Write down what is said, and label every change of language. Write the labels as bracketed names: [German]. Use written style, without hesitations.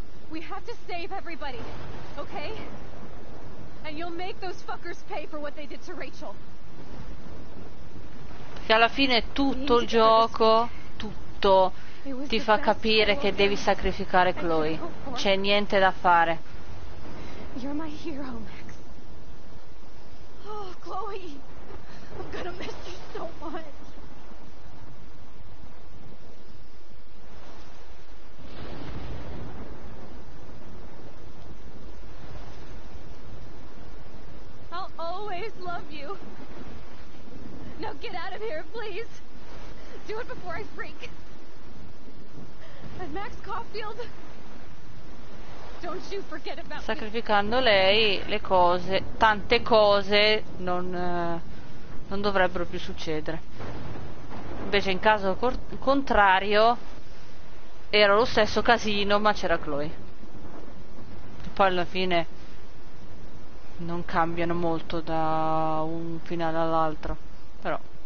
[English] We have to save everybody. Okay? And you'll make those fuckers pay for what they did to Rachel. [Italian] Che alla fine tutto il gioco, tutto, ti fa capire che devi sacrificare Chloe. C'è niente da fare. [English] You're my hero, Max. Oh, Chloe, I'm gonna miss you so much. Always love you. Now get out of here, please. Do it before I freak. And Max Caulfield, don't you forget about me. [Italian] Sacrificando lei, le cose, tante cose non dovrebbero più succedere. Invece in caso contrario era lo stesso casino, ma c'era Chloe. E poi alla fine non cambiano molto da un finale all'altro, però.